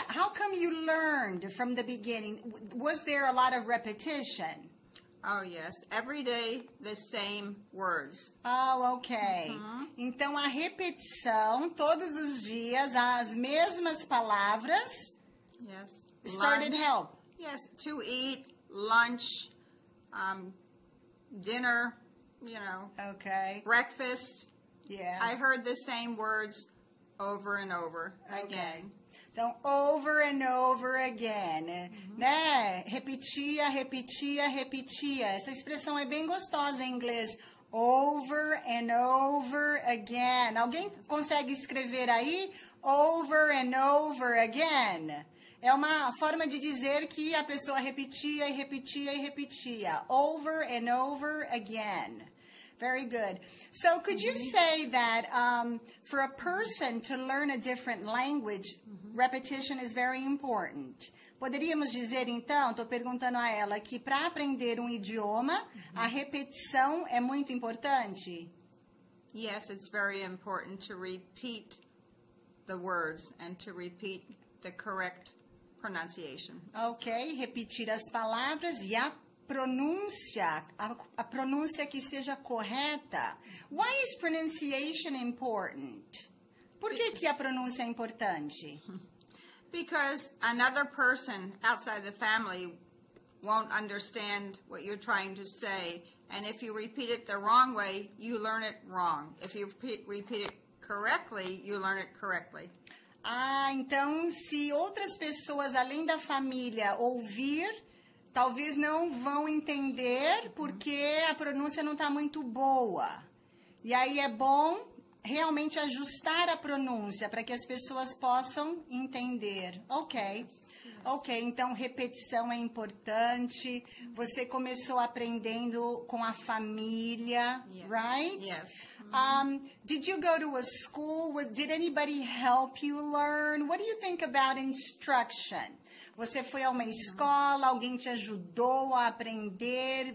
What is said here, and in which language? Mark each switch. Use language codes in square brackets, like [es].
[en] How come you learned from the beginning? Was there a lot of repetition? Oh, yes. Every day, the same words. Oh, okay. Uh-huh. [pt] Então, a repetição, todos os dias, as mesmas palavras. [en] Yes. Started lunch. Help. Yes, to eat, lunch, dinner, you know. Okay. Breakfast. Yeah. I heard the same words over and over again. Okay. [pt] Então, [en] over and over again. [pt] Mm-hmm. Né? Repetia, repetia, repetia. Essa expressão é bem gostosa em inglês. [en] Over and over again. [pt] Alguém consegue escrever aí? [en] Over and over again. [pt] É uma forma de dizer que a pessoa repetia e repetia e repetia. [en] Over and over again. Very good. So could you say that for a person to learn a different language, repetition is very important. [pt] Poderíamos dizer, então, estou perguntando a ela, que para aprender um idioma, a repetição é muito importante? [en] Yes, it's very important to repeat the words and to repeat the correct pronunciation. [pt] Okay, repetir as palavras e a pronúncia que seja correta. [en] Why is pronunciation important? [pt] Por que que a pronúncia é importante? [en] Because another person outside the family won't understand what you're trying to say, and if you repeat it the wrong way, you learn it wrong. If you repeat it correctly, you learn it correctly. [pt] Ah, então se outras pessoas além da família ouvir, talvez não vão entender porque a pronúncia não está muito boa. E aí é bom realmente ajustar a pronúncia para que as pessoas possam entender. Ok. Ok, então repetição é importante. Você começou aprendendo com a família, [en] yes. Right? Yes. Did you go to a school? Did anybody help you learn? What do you think about instruction? [pt] Você foi a uma escola, alguém te ajudou a aprender?